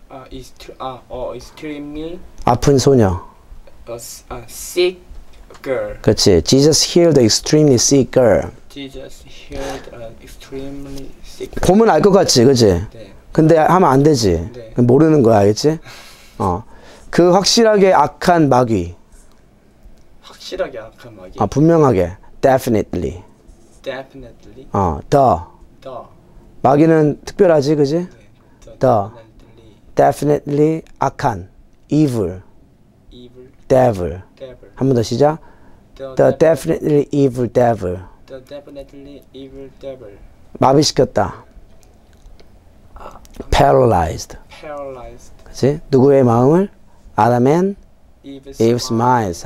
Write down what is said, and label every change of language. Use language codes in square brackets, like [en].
[ko] 이스트 아어 extremely 아픈 소녀. [en] sick girl. [ko] 그렇지. [en] Jesus healed the extremely sick girl. Jesus healed an extremely sick girl. [ko] 보면 알 것 같지, 그렇지? 네. 근데 하면 안 되지. 네. 모르는 거야, 알겠지? 그 확실하게 악한 마귀. 확실하게 악한 마귀. 아, 분명하게. Definitely. [en] Definitely. [ko] 더. 마귀는 특별하지, 그렇지? 더. 네. Definitely 악한. [en] Evil. Devil. [ko] 한 번 더 시작. [en] The definitely evil devil. The definitely evil devil. [ko] 마비시켰다. [en] Paralyzed. Paralyzed. [ko] 그치? 누구의 마음을? Adam and [en] Eve's minds.